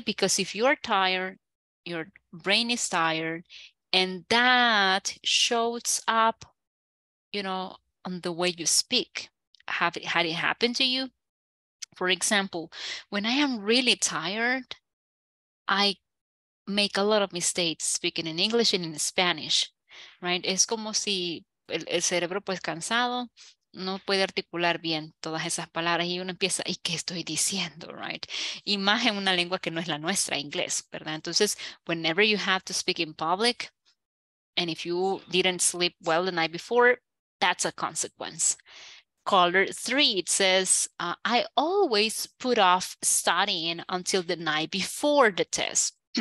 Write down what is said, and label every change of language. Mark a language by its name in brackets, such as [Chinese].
[English] Because if you are tired, your brain is tired, and that shows up, you know, on the way you speak. Had it happened to you? For example, when I am really tired, I make a lot of mistakes speaking in English and in Spanish, right? [Spanish] Es como si el cerebro pues cansado no puede articular bien todas esas palabras y uno empieza, ¿y qué estoy diciendo, right? Y más en una lengua que no es la nuestra, inglés, ¿verdad? [English] Entonces, whenever you have to speak in public, and if you didn't sleep well the night before, that's a consequence. Caller 3, it says, I always put off studying until the night before the test.